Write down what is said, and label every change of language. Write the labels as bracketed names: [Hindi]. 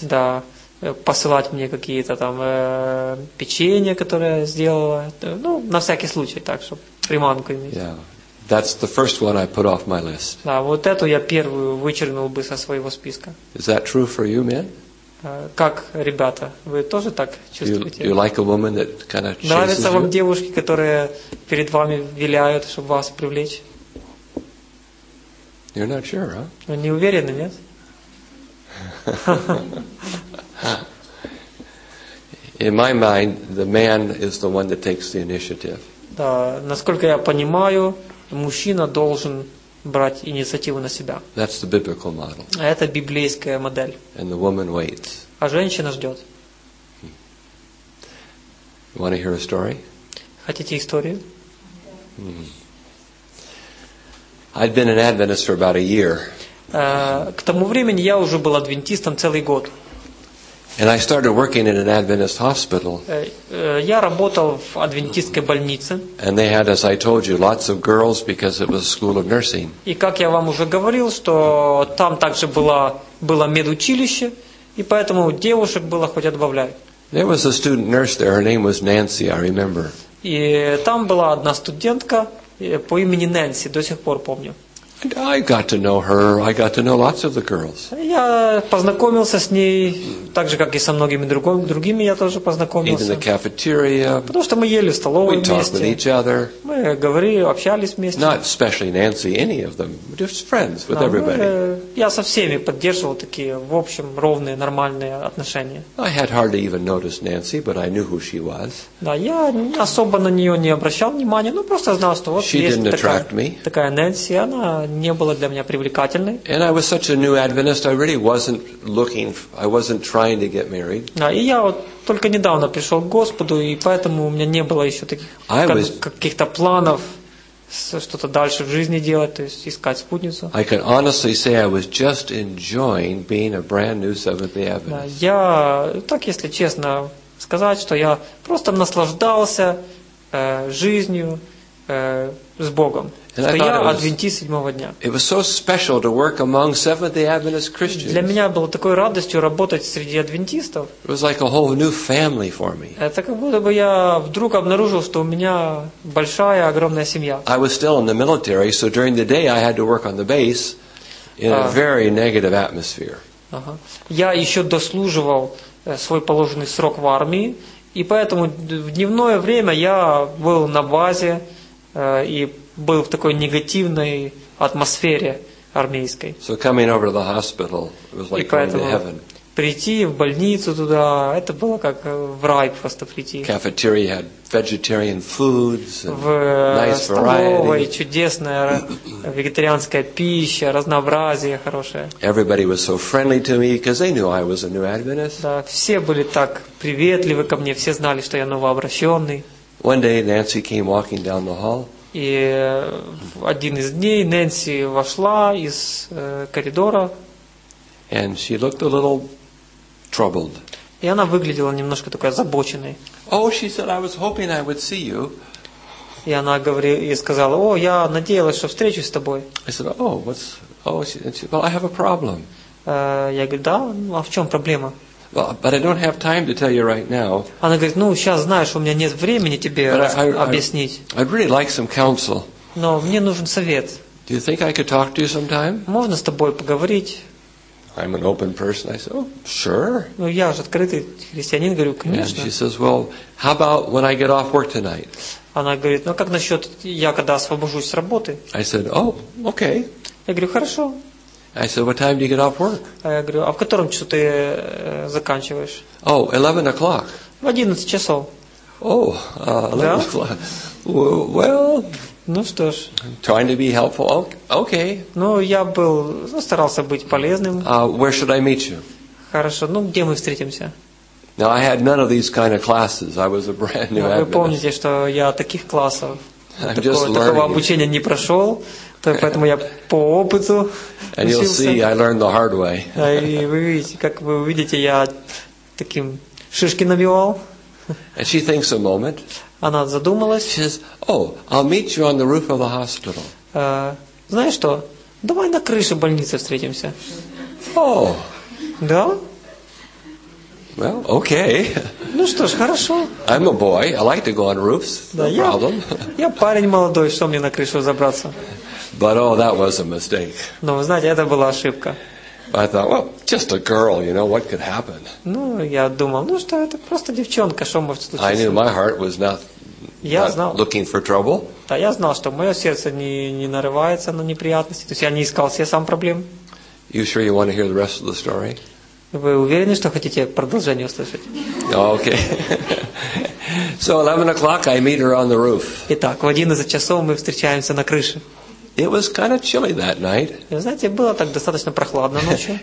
[Russian] Да, посылать мне какие-то там печенье, которое я сделала, ну на всякий случай, так чтобы приманку иметь. [English] Yeah, that's the first one I put off my list. [Russian] Да, вот эту я первую вычеркнул бы со своего списка. [English] Is that true for you, men? [Russian] Как, ребята, вы тоже так чувствуете? [English] You like a woman that kind of chases you? [Russian] Нравятся вам девушки, которые перед вами виляют, чтобы вас привлечь? [English] You're not sure, huh? [Russian] Вы не уверены, нет? [English] In my mind, the man is the one that takes the initiative. [Russian] Да, насколько я понимаю, мужчина должен брать инициативу на себя. [English] That's the biblical model. [Russian] Это библейская модель. [English] And the woman waits. [Russian] А женщина ждет. [English] You want to hear a story? [Russian] Хотите историю? [English] I'd been an Adventist for about a year. [Russian] К тому времени я уже был адвентистом целый год. [English] And I started working in an Adventist hospital. [Russian] Я работал в адвентистской больнице. [English] And they had, as I told you, lots of girls because it was a school of nursing. [Russian] И как я вам уже говорил, что там также было медучилище, и поэтому девушек было хоть отбавляй. [English] There was a student nurse there. Her name was Nancy, I remember. [Russian] И там была одна студентка по имени Нэнси, до сих пор помню. [English] I got to know her. I got to know lots of the girls. [Russian] Я познакомился с ней, так же как и со многими другими я тоже познакомился. [English] In the cafeteria. [Russian] Потому что мы ели в столовой вместе. [English] We talked with each other. [Russian] Мы говорили, общались вместе. [English] Not especially Nancy, any of them. Just friends with everybody. [Russian] Я со всеми поддерживал такие, в общем, ровные, нормальные отношения. [English] I had hardly even noticed Nancy, but I knew who she was. [Russian] Да, я особо на нее не обращал внимания, ну просто знал, что вот [English] she didn't attract me. [Russian] Такая Нэнси, она не было для меня привлекательной. [English] And I was such a new Adventist, I really wasn't looking, I wasn't trying to get married. [Russian] Да, и я вот только недавно пришел к Господу, и поэтому у меня не было еще таких каких-то планов что-то дальше в жизни делать, то есть искать спутницу. [English] I can honestly say I was just enjoying being a brand new Seventh-day Adventist. [Russian] Да, я так, если честно сказать, что я просто наслаждался жизнью с Богом. Что я адвентист седьмого дня. [English] It was so special to work among Seventh-day Adventist Christians. [Russian] Для меня было такой радостью работать среди адвентистов. [English] It was like a whole new family for me. [Russian] Это как будто бы я вдруг обнаружил, что у меня большая, огромная семья. [English] I was still in the military, so during the day I had to work on the base in a very negative atmosphere. [Russian] Я еще дослуживал свой положенный срок в армии, и поэтому в дневное время я был на базе и был в такой негативной атмосфере армейской. [English] So coming over to the hospital, it was like going to heaven. [Russian] Прийти в больницу туда, это было как в рай просто прийти. [English] Cafeteria had vegetarian foods and nice variety. [Russian] В столовой чудесная вегетарианская пища, разнообразие хорошее. [English] Everybody was so friendly to me because they knew I was a new Adventist. [Russian] Да, все были так приветливы ко мне, все знали, что я новообращенный. [English] One day Nancy came walking down the hall. [Russian] И один из дней Нэнси вошла из коридора. [English] And she looked a little troubled. [Russian] И она выглядела немножко такой озабоченной. [English] Oh, she said, I was hoping I would see you. [Russian] И она говорила и сказала: "О, я надеялась, что встречусь с тобой". [English] I said, "Oh, what's? Oh, she said, well, I have a problem." [Russian] Я говорю: "Да, ну а в чем проблема?" [English] Well, but I don't have time to tell you right now. [Russian] Она говорит: "Ну, сейчас знаешь, у меня нет времени тебе объяснить". [English] I'd really like some counsel. [Russian] Но мне нужен совет. [English] Do you think I could talk to you sometime? [Russian] Можно с тобой поговорить? [English] I'm an open person. I said, "Oh, sure." [Russian] Ну, я же открытый христианин, говорю, конечно. [English] And she says, "Well, how about when I get off work tonight?" [Russian] Она говорит: "Ну, как насчет я когда освобожусь с работы?" [English] I said, "Oh, okay." [Russian] Я говорю: "Хорошо." [English] I said, "What time do you get off work?" [Russian] Я говорю: "А в котором часу ты заканчиваешь?" [English] Oh, 11 o'clock. [Russian] В 11 часов. [English] Oh, 11 o'clock. Well. [Russian] Ну что ж. [English] Trying to be helpful. Okay. [Russian] Ну я был, старался быть полезным. [English] Where should I meet you? [Russian] Хорошо. Ну где мы встретимся? [English] Now I had none of these kind of classes. I was a brand new Adventist. [Russian] Вы помните, что я таких классов такого обучения не прошел. Поэтому я по опыту учился. [English] And you'll see, I learned the hard way. [Russian] И вы видите, как вы увидите, я таким шишки набивал. [English] And she thinks a moment. [Russian] Она задумалась. [English] She says, "Oh, I'll meet you on the roof of the hospital." [Russian] Знаешь что? Давай на крыше больницы встретимся. [English] Oh. [Russian] Да? [English] Well, okay. [Russian] Ну что ж, хорошо. [English] I'm a boy. I like to go on roofs. No problem. [Russian] Я парень молодой, что мне на крышу забраться? [English] But oh, that was a mistake. [Russian] Но вы знаете, это была ошибка. [English] I thought, well, just a girl, you know, what could happen? [Russian] Ну, я думал, ну что, это просто девчонка, что может случиться? [English] I knew my heart was not looking for trouble. [Russian] Да, я знал, что мое сердце не нарывается на неприятности. То есть я не искал себе сам проблем. [English] You sure you want to hear the rest of the story? [Russian] Вы уверены, что хотите продолжение услышать? [English] Okay. So 11 o'clock, I meet her on the roof. [Russian] Итак, в 11 часов мы встречаемся на крыше. [English] It was kind of chilly that night. [Russian] Знаете, было так достаточно прохладно ночью.